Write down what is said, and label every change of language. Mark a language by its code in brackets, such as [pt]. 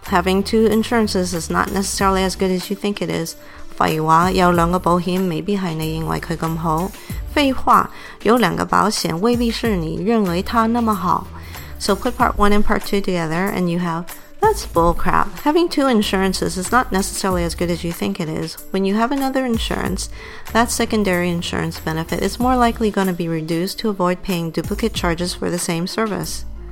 [en] Having two insurances is not necessarily as good as you think it is. [zh] 废话，有两个保险未必是你认为它那么好。 [en] So put part one and part two together and you have, that's bullcrap. Having two insurances is not necessarily as good as you think it is. When you have another insurance, that secondary insurance benefit is more likely going to be reduced to avoid paying duplicate charges for the same service.